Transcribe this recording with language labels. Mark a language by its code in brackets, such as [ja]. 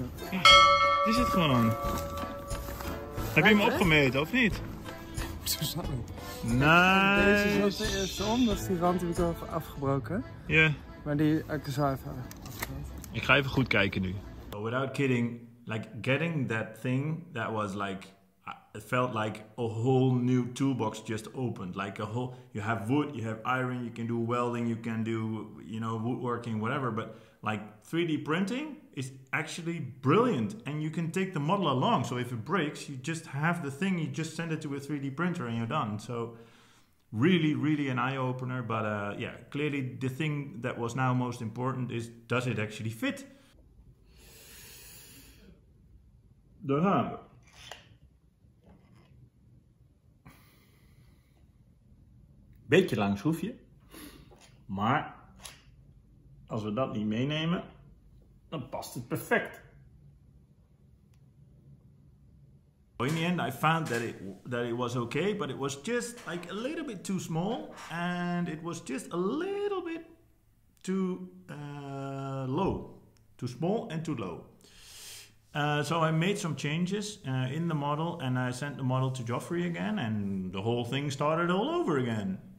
[nl] Ja, die zit gewoon aan. Heb je hem opgemeten, of niet? Zo snel. [en] Nice. [nl] Deze zat de eerste om, dus die rand heb ik al afgebroken. Ja. Yeah. Maar die ik zou even afgebroken. Ik ga even goed kijken nu. [en] Without kidding, like getting that thing, that was like... It felt like a whole new toolbox just opened. Like a whole, you have wood, you have iron, you can do welding, you can do, you know, woodworking, whatever. But like 3D printing is actually brilliant, and you can take the model along. So if it breaks, you just have the thing, you just send it to a 3D printer and you're done. So really, really an eye opener. But clearly the thing that was now most important is, does it actually fit? [nl] Daar gaan we. Beetje lang schroefje, maar als we dat niet meenemen, dan past het perfect. [en] In the end, I found that it was okay, but it was just like a little bit too small, and it was just a little bit too low, too small and too low. So I made some changes in the model, and I sent the model to Joffrey again, and the whole thing started all over again.